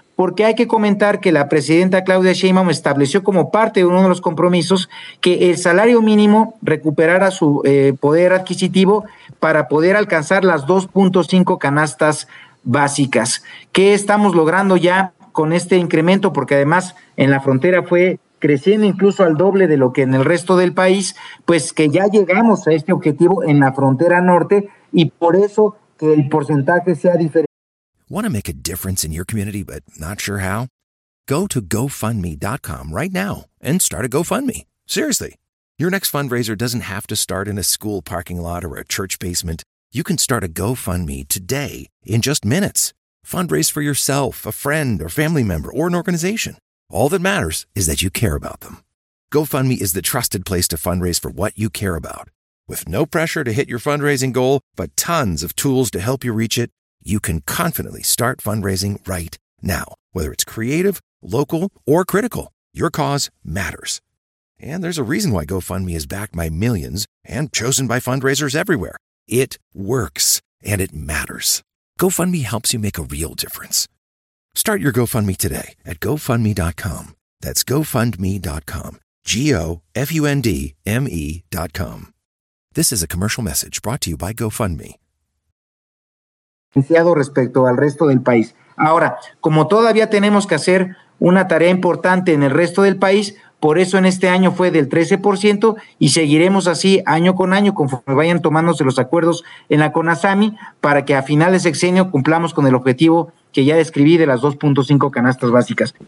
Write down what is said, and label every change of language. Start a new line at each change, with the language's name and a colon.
Spanish: Porque hay que comentar que la presidenta Claudia Sheinbaum estableció como parte de uno de los compromisos que el salario mínimo recuperara su poder adquisitivo para poder alcanzar las 2.5 canastas básicas. ¿Qué estamos logrando ya con este incremento? Porque además en la frontera fue creciendo incluso al doble de lo que en el resto del país, pues que ya llegamos a este objetivo en la frontera norte y por eso que el porcentaje sea diferente.
English: Want to make a difference in your community but not sure how? Go to GoFundMe.com right now and start a GoFundMe. Seriously. Your next fundraiser doesn't have to start in a school parking lot or a church basement. You can start a GoFundMe today in just minutes. Fundraise for yourself, a friend, or family member, or an organization. All that matters is that you care about them. GoFundMe is the trusted place to fundraise for what you care about. With no pressure to hit your fundraising goal, but tons of tools to help you reach it, you can confidently start fundraising right now. Whether it's creative, local, or critical, your cause matters. And there's a reason why GoFundMe is backed by millions and chosen by fundraisers everywhere. It works, and it matters. GoFundMe helps you make a real difference. Start your GoFundMe today at GoFundMe.com. That's GoFundMe.com. GoFundMe.com. This is a commercial message brought to you by GoFundMe.
Spanish: Respecto al resto del país. Ahora, como todavía tenemos que hacer una tarea importante en el resto del país. Por eso en este año fue del 13% y seguiremos así año con año conforme vayan tomándose los acuerdos en la CONASAMI para que a final de sexenio cumplamos con el objetivo que ya describí de las 2.5 canastas básicas.